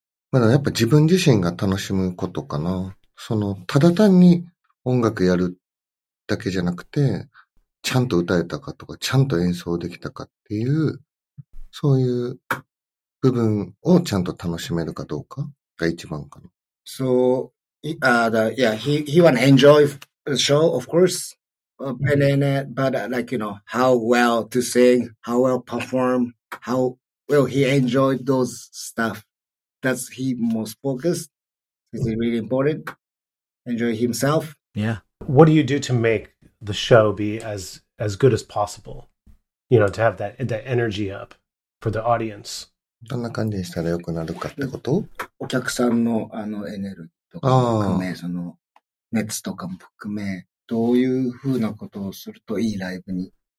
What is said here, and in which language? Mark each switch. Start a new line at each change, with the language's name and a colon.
Japanese: まだやっぱ自分自身が楽しむことかな。そのただ単に音楽やるだけじゃなくて、ちゃんと歌えたかとか、ちゃんと演奏できたかっていう、そういう部分をちゃんと楽しめるかどうかが一番かな。
English: So, he wanna enjoy the show, of course, but like, you know, how well to sing, how well perform, how well he enjoy those stuff. That's he most focused. Is it really important? Enjoy himself? Yeah. What do you do to make the show be as good as possible? You know, to have that energy up for the audience?
Japanese: どんな感じにしたら良くなるかってこと？お客さんのあのエネルギーとかも含め、その熱とかも含め、どういう風なことをするといいライブに。